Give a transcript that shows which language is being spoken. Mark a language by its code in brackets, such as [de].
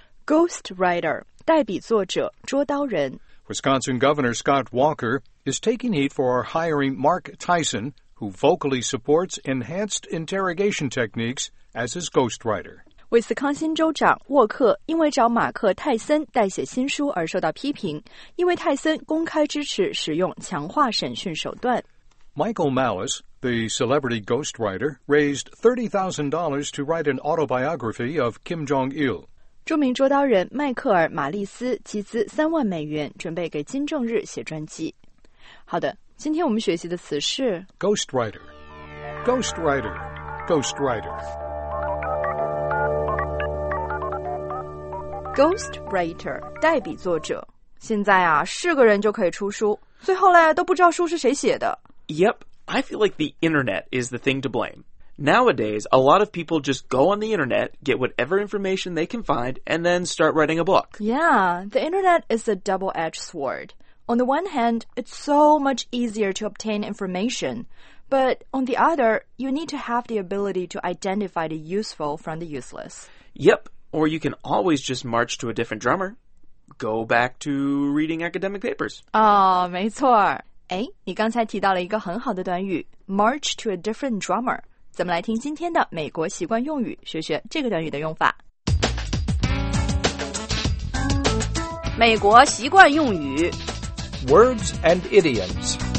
[zh] Ghostwriter, 代笔作者，捉刀人。 [en] Wisconsin Governor Scott Walker is taking heat for hiring Mark Tyson, who vocally supports enhanced interrogation techniques as his ghostwriter. [zh] 威斯康星州长沃克因为找马克·泰森代写新书而受到批评，因为泰森公开支持使用强化审讯手段。 [en] Michael Malice, the celebrity ghostwriter, raised $30,000 to write an autobiography of Kim Jong-il. [zh] 著名捉刀人迈克尔·马利斯集资$30,000，准备给金正日写传记。好的，今天我们学习的词是 [en] ghostwriter, ghostwriter, ghostwriter. [zh] Ghostwriter, 代笔作者。现在啊，是个人就可以出书，最后呢，都不知道书是谁写的。 [en] Yep, I feel like the internet is the thing to blame. Nowadays, a lot of people just go on the internet, get whatever information they can find, and then start writing a book. Yeah, the internet is a double-edged sword. On the one hand, it's so much easier to obtain information. But on the other, you need to have the ability to identify the useful from the useless. Yep. Or you can always just march to a different drummer. Go back to reading academic papers. [zh] 哦，没错。哎，你刚才提到了一个很好的短语 , [en] march to a different drummer. [zh] 咱们来听今天的美国习惯用语，学学这个短语的用法。美国习惯用语 [en] Words and idioms.